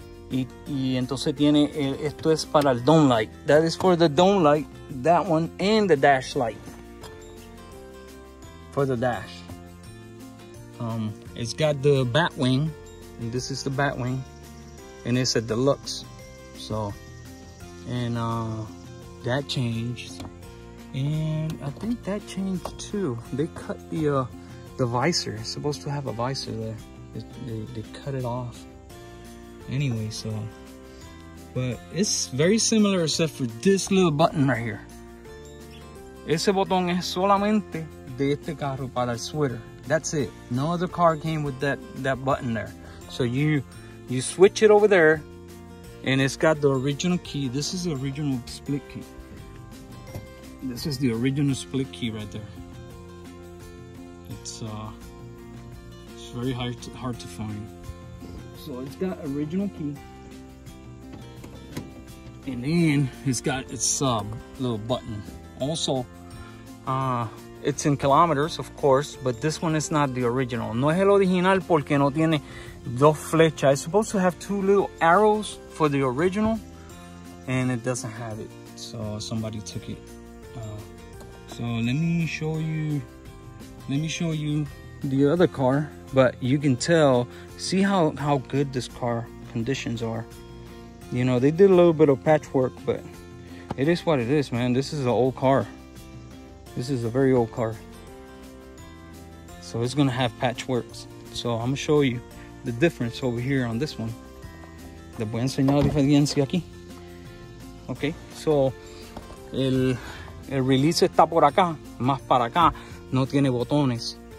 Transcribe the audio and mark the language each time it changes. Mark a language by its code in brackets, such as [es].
[es] Y entonces tiene, esto es para el dome light. [en] That is for the dome light, that one, and the dash light. For the dash. It's got the bat wing. And this is the bat wing. And it's a deluxe. So, and that changed. And I think that changed too. They cut the visor. It's supposed to have a visor there. They cut it off. Anyway, so. But it's very similar except for this little button right here. [es] Ese botón es solamente de este carro para el Zwitter. [en] That's it. No other car came with that button there. So you switch it over there. And it's got the original key. This is the original split key. This is the original split key right there. It's very hard to find. So it's got original key. And then it's got its sub little button. Also, it's in kilometers, of course, but this one is not the original. [es] No es el original porque no tiene dos flechas. [en] It's supposed to have two little arrows for the original, and it doesn't have it. So somebody took it. So let me show you the other car, but you can tell, see how good this car conditions are. You know, they did a little bit of patchwork, but it is what it is, man. This is an old car. This is a very old car. So it's gonna have patchworks. So I'm gonna show you the difference over here on this one. [es] Le voy a enseñar la diferencia aquí. Okay, so el release está por acá, más para acá, no tiene botones.